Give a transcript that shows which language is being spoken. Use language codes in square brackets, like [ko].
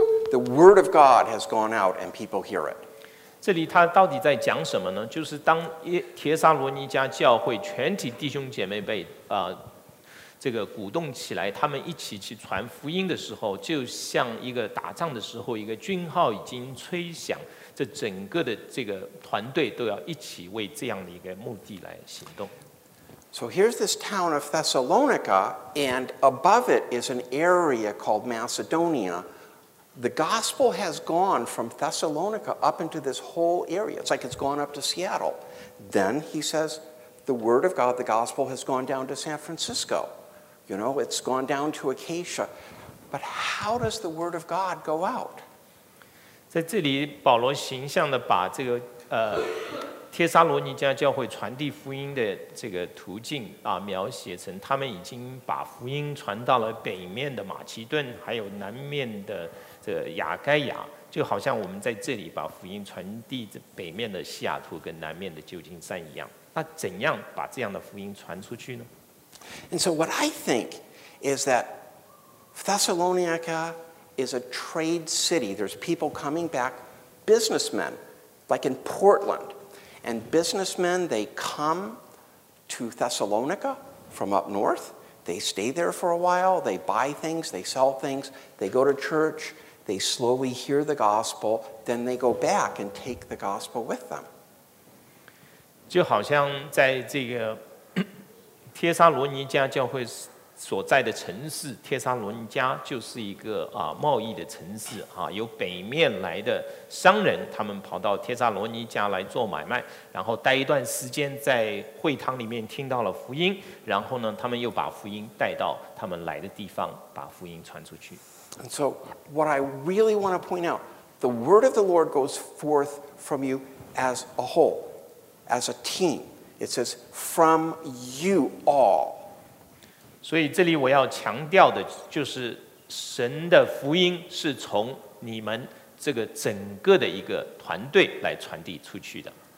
[en] The word of God has gone out and people hear it. [zh] 这里他到底在讲什么呢？就是当帖撒罗尼迦教会全体弟兄姐妹被这个鼓动起来，他们一起去传福音的时候，就像一个打仗的时候，一个军号已经吹响，这整个的这个团队都要一起为这样的一个目的来行动。 [en] So here's this town of Thessalonica, and above it is an area called Macedonia. The gospel has gone from Thessalonica up into this whole area. It's like it's gone up to Seattle. Then he says, the word of God, the gospel has gone down to San Francisco. You know, it's gone down to Acacia. But how does the word of God go out? [zh] 在这里，保罗形象地把这个帖撒罗尼迦教会传递福音的这个途径描写成他们已经把福音传到了北面的马其顿，还有南面的这个亚该亚，就好像我们在这里把福音传递北面的西雅图跟南面的旧金山一样。那怎样把这样的福音传出去呢？ [en] And so what I think is that Thessalonica is a trade city. There's people coming back, businessmen, like in Portland. And businessmen, they come to Thessalonica from up north. They stay there for a while. They buy things. They sell things. They go to church. They slowly hear the gospel. Then they go back and take the gospel with them. [zh] 就好像在这个帖撒罗尼迦教会所在的城市，帖撒罗尼迦就是一个贸易的城市有北面来的商人，他们跑到帖撒罗尼迦来做买卖，然后待一段时间在会堂里面听到了福音，然后呢他们又把福音带到他们来的地方，把福音传出去。 [en] And so what I really want to point out, the word of the Lord goes forth from you as a whole, as a team. It says from you all. [zh] 所以这里我要强调的就是神的福音是从你们这个整个的一个团队来传递出去的。